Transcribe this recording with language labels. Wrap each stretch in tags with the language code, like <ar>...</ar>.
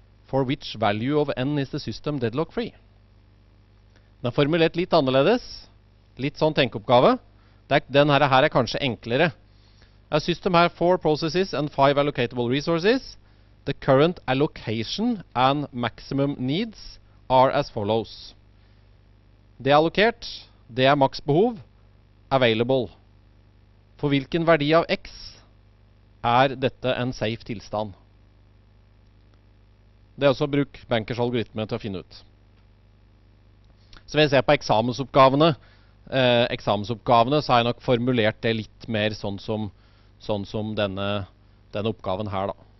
<en>For which value of n is the system deadlock free?</en> <no>Den er formulert litt annerledes. Litt sånn tenkeoppgave. Den her er kanskje enklere.</no> <en>A system has 4 processes and 5 allocatable resources. The current allocation and maximum needs are as follows.</en> <no>Det er allokert, det er maksbehov, available. For hvilken verdi av x er dette en safe tilstand? Det er også å bruke bankers algoritme til å finne ut. Så hvis jeg ser på eksamensoppgavene, så har jeg nok formulert det litt mer sånn som denne oppgaven her da.</no>